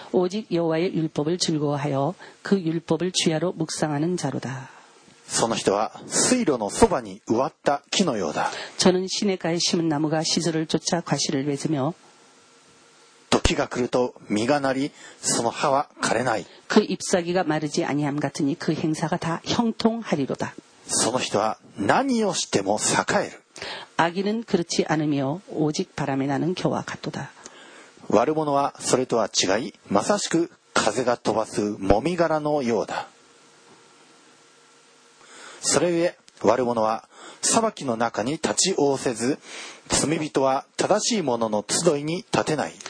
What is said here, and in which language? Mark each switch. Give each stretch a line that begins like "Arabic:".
Korean: 오직여호와의율법을즐거워하여그율법을주야로묵상하는자로다
Japanese: その人は水路のそばに植わった木のようだ
Korean: 저는시내가에심은나무가시들을쫓아과실을맺으며
Japanese: 時が来ると実がなりその葉は枯れない
Korean: 그잎사귀가마르지아니함같으니그행사가다형통하리로다
Japanese: その人は何をしても栄える
Korean: 악인은그렇지않으며오직바람에나는겨와같도다
Japanese: 悪者はそれとは違いまさしく風が飛ばすもみ殻のようだそれゆえ悪者は裁きの中に立ち応せず罪人は正しい者の集いに立てない